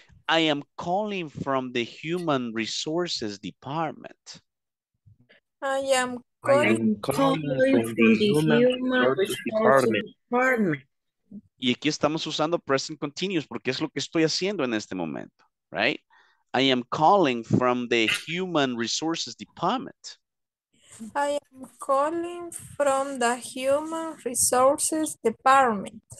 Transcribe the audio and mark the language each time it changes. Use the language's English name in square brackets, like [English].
[English] I am calling from the Human Resources Department. I am calling from the human resources department. [Spanish] Y aquí estamos usando present continuous porque es lo que estoy haciendo en este momento, right? [English] I am calling from the human resources department. I am calling from the human resources department.